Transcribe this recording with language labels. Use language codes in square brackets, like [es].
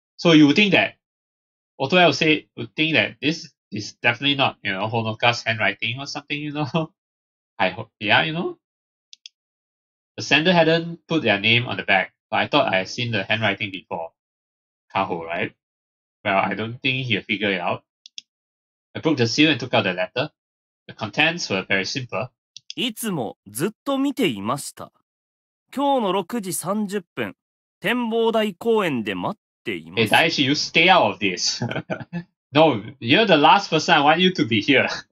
[en] So you would think that, Otoya would think that this is definitely not, you know, Honoka's handwriting or something, you know. I hope, yeah, you know. The sender hadn't put their name on the back. But I thought I had seen the handwriting before. Kaho, right? Well, I don't think he'll figure it out. I broke the seal and took out the letter. The contents were very simple. [ja] いつもずっと見ていました。今日の6時30分、展望台公園で待っています。 [en] Hey, Daishi, you stay out of this. No, you're the last person I want you to be here.